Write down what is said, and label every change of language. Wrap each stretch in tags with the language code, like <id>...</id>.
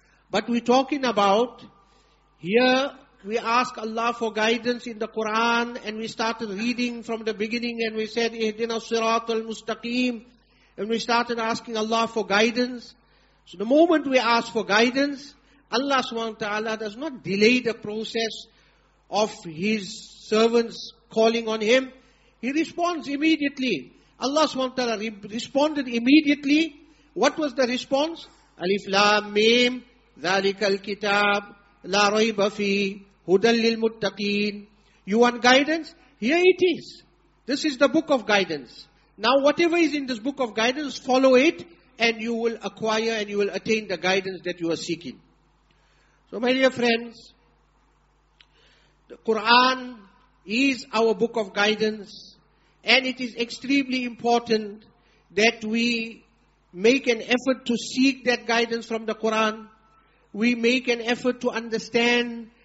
<en>But we're talking about, here we ask Allah for guidance in the Quran, and we started reading from the beginning, and we said,</en> <ar>اِهْدِنَا الصِّرَاطَ الْمُسْتَقِيمِ,</ar> <en>and we started asking Allah for guidance. So the moment we ask for guidance, Allah subhanahu wa ta'ala does not delay the process of His servants calling on Him. He responds immediately. Allah subhanahu wa ta'ala responded immediately. What was the response?</en> <ar>Alif Lam Mim, ذَلِكَ الْكِتَاب, لَا رَيْبَ فِيهِ هُدًى لِلْمُتَّقِينَ.</ar> <en>You want guidance? Here it is. This is the book of guidance. Now whatever is in this book of guidance, follow it and you will acquire and you will attain the guidance that you are seeking. So my dear friends, the Quran is our book of guidance, and it is extremely important that we make an effort to seek that guidance from the Quran. We make an effort to understand</en>